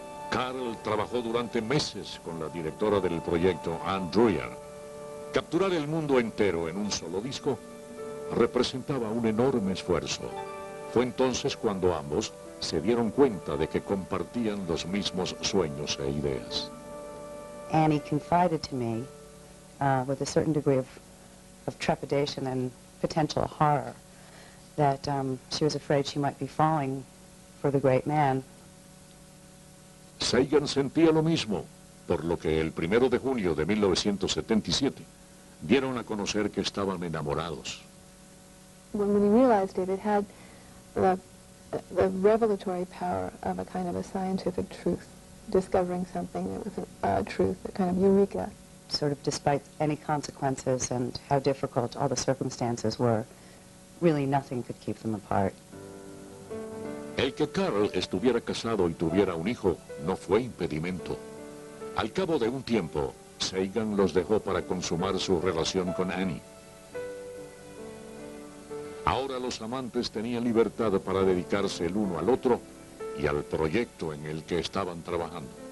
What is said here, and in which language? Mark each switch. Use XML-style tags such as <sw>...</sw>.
<es>Carl trabajó durante meses con la directora del proyecto, Ann Druyan. Capturar el mundo entero en un solo disco representaba un enorme esfuerzo. Fue entonces cuando ambos se dieron cuenta de que compartían los mismos sueños e ideas.</es> <en>Annie confided to me with a certain degree of trepidation and potential horror that she was afraid she might be falling for the great man.</en> <es>Sagan sentía lo mismo, por lo que el 1 de junio de 1977 dieron a conocer que estaban enamorados.</es> <en>When he realized it, it had the revelatory power of a kind of a scientific truth, discovering something that was a truth, a kind of eureka. Sort of despite any consequences and how difficult all the circumstances were, really nothing could keep them apart.</en> <es>El que Carl estuviera casado y tuviera un hijo no fue impedimento. Al cabo de un tiempo, Sagan los dejó para consumar su relación con Annie. Ahora los amantes tenían libertad para dedicarse el uno al otro y al proyecto en el que estaban trabajando.</es>